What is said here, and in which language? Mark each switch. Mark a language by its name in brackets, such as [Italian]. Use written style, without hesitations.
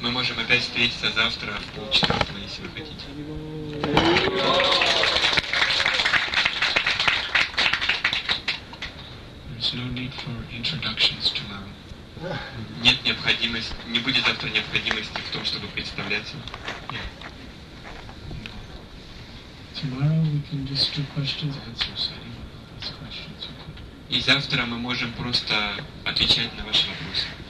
[Russian] Мы можем опять встретиться завтра в полчаса, если вы хотите. [English] There's no need for introductions tomorrow. [Russian] Нет необходимости, не будет завтра необходимости в том, чтобы представляться. [English] Tomorrow we can just do questions and answers. Anyone who has questions, okay. [Russian] И завтра мы можем просто отвечать на ваши вопросы.